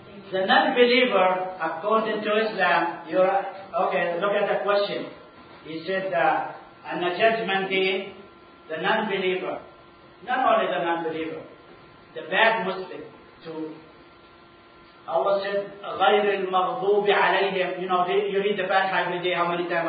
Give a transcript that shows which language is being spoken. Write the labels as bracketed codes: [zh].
[en] The non-believer, according to Islam, look at the question. He said that on the judgment day, the non-believer, not only the non-believer, the bad Muslim too. Allah said, [ar] غير المغضوب عليهم. [en] You know, you read the Fatiha every day, how many times?